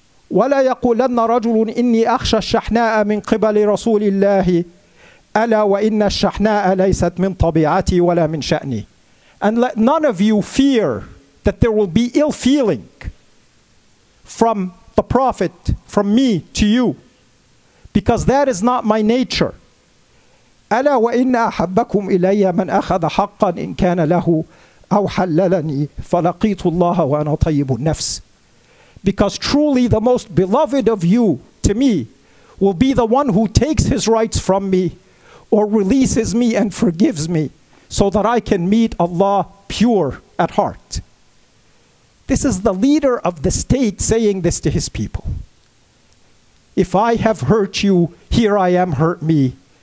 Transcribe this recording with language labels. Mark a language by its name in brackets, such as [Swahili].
[Arabic] وَلَا يَقُولَنَّ رَجُلٌ إِنِّي أَخْشَى الشَّحْنَاءَ مِنْ قِبَلِ رَسُولِ اللَّهِ أَلَا وَإِنَّ الشَّحْنَاءَ لَيْسَتْ مِنْ طَبِيعَتِي وَلَا مِنْ شَأْنِي. [English] And let none of you fear that there will be ill feeling from the Prophet, from me to you, because that is not my nature. [Arabic] أَلَا وَإِنَّ أَحَبَّكُمْ إِلَيَّ مَنْ أَخَذَ حَقًّا إِنْ كَانَ لَهُ أو حللني فلقيت الله وأنا طيب النفس. [English] Because truly the most beloved of you to me will be the one who takes his rights from me or releases me and forgives me so that I can meet Allah pure at heart. This is the leader of the state saying this to his people. If I have hurt you, here I am, hurt me.